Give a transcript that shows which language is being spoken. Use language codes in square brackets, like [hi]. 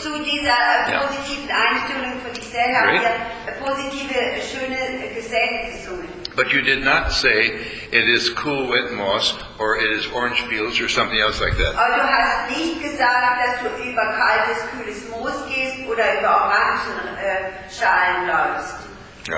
[de] Zu dieser positiven Einstellung für dich selbst haben wir eine positive, schöne Gesänge gesungen. [en] But you did not say it is cool wet moss or it is orange fields or something else like that. [de] Du hast nicht gesagt, dass du über kaltes, kühles Moos gehst oder über Orangenschalen läufst.